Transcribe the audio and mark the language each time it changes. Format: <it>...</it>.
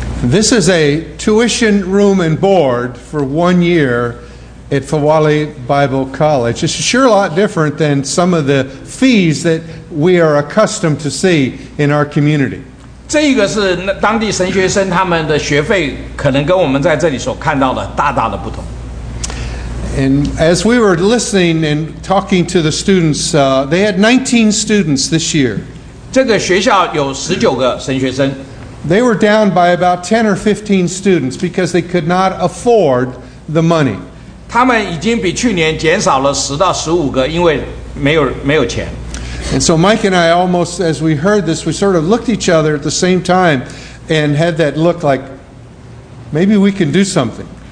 <en>This is a tuition room and board for 1 year at Fawali Bible College. It's sure a lot different than some of the fees that we are accustomed to see in our community.</en> <zh>这个是当地神学生他们的学费，可能跟我们在这里所看到的大大的不同。</zh> <en>And as we were listening and talking to the students, they had 19 students this year.</en> <zh>这个学校有19个神学生。</zh> <en>They were down by about 10 or 15 students because they could not afford the money.</en> <zh>他们已经比去年减少了10到15个，因为没有钱。</zh> <en>And so Mike and I almost, as we heard this, we sort of looked each other at the same time and had that look like, maybe we can do something.</en>